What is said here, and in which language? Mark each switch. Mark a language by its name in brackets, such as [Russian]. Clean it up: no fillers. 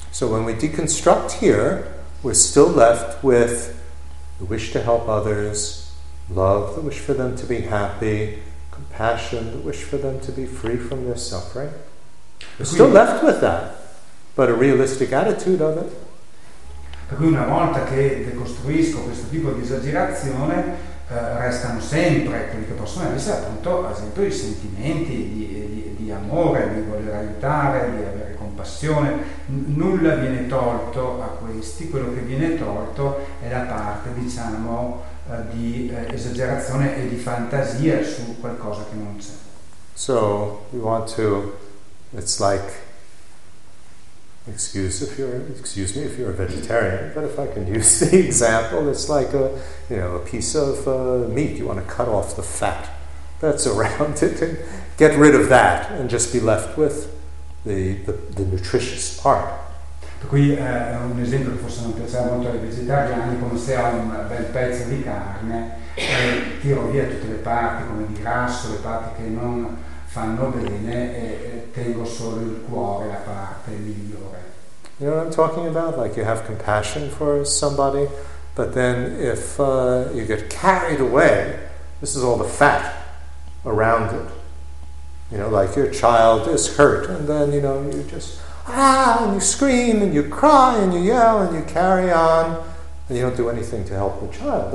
[English] So when we deconstruct here, we're still left with the wish to help others, love, the wish for them to be happy, compassion, the wish for them to be free from their suffering. We're still left with that, but a realistic attitude of it. [Italian] Per cui una volta che decostruisco questo tipo di esagerazione, restano sempre quelli che possono essere, appunto, ad esempio, i sentimenti di amore, di voler aiutare, di avere compassione. Nulla viene tolto a questi, quello che viene tolto è la parte, diciamo, di esagerazione e di fantasia su qualcosa che non c'è. [English] So, we want to. It's like, excuse me if you're a vegetarian, but if I can use the example, it's like a piece of meat. You want to cut off the fat that's around it and get rid of that and just be left with the nutritious part. [Italian] Per cui un esempio che forse non piace molto ai vegetariani, come se ha un bel pezzo di carne e tiro via tutte le parti, come di grasso, le parti che non fanno bene, e tengo solo il cuore, la parte migliore. [English] You know what I'm talking about? Like you have compassion for somebody, but then if you get carried away, this is all the fat around it. You know, like your child is hurt, and then, you know, you just, and you scream, and you cry, and you yell, and you carry on, and you don't do anything to help the child.